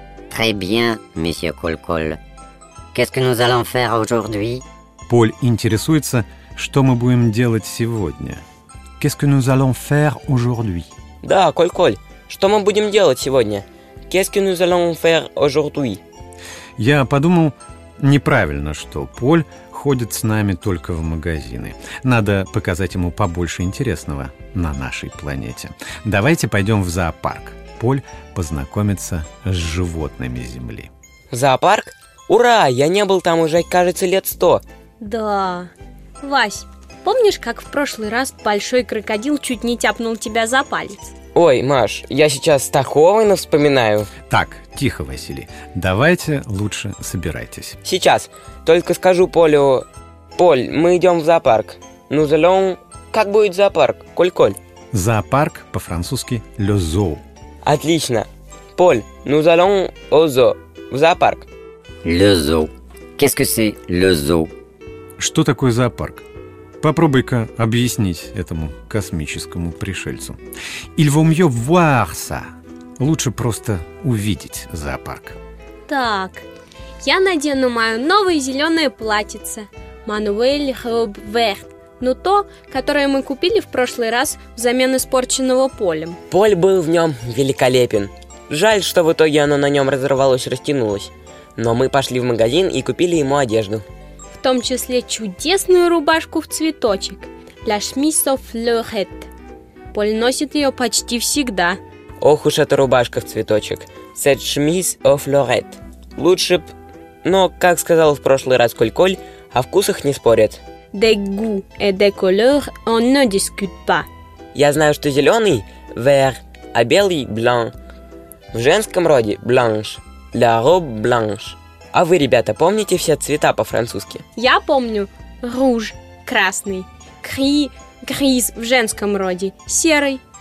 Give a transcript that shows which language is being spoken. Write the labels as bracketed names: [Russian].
[French] Très bien, monsieur Коль-Коль. Qu'est-ce que nous allons faire aujourd'hui? [Russian] Поль интересуется, что мы будем делать сегодня. [French] Qu'est-ce que nous allons faire aujourd'hui? [Russian] Да, Коль-Коль, что мы будем делать сегодня? [French] Qu'est-ce que nous allons faire aujourd'hui? [Russian] Я подумал, неправильно, что Поль ходит с нами только в магазины. Надо показать ему побольше интересного на нашей планете. Давайте пойдем в зоопарк. Поль познакомится с животными Земли. Зоопарк? Ура! Я не был там уже, кажется, лет 100. Да. Вась, помнишь, как в прошлый раз большой крокодил чуть не тяпнул тебя за палец? Ой, Маш, я сейчас стахованно вспоминаю. Так, тихо, Василий. Давайте лучше собирайтесь. Сейчас. Только скажу Полю. Поль, мы идем в зоопарк. Ну, зелен... Как будет зоопарк? Коль-Коль. Зоопарк по-французски «le zoo». Отлично. [French] Поль, nous allons au zoo. [Russian] В зоопарк. [French] Le zoo. Qu'est-ce que c'est le zoo? [Russian] Что такое зоопарк? Попробуй-ка объяснить этому космическому пришельцу. [French] Il vaut mieux voir ça. [Russian] Лучше просто увидеть зоопарк. Так, я надену мое новое зеленое платьице. Manuel Robert. Но то, которое мы купили в прошлый раз взамен испорченного Полем. Поль был в нем великолепен. Жаль, что в итоге оно на нем разорвалось, растянулось. Но мы пошли в магазин и купили ему одежду. В том числе чудесную рубашку в цветочек. [French] La chemise aux fleurs. [Russian] Поль носит ее почти всегда. Ох уж эта рубашка в цветочек. [French] Cette chemise aux fleurs. [Russian] Лучше б... Но, как сказал в прошлый раз Коль-Коль, о вкусах не спорят. [French] Des goûts et des couleurs, on ne discute pas. [Russian] Я знаю, что зеленый – vert, а белый – blanc. В женском роде – blanche. [French] La robe blanche. [Russian] А вы, ребята, помните все цвета по-французски? Я помню. Руж – красный. Гриз в женском роде. Серый.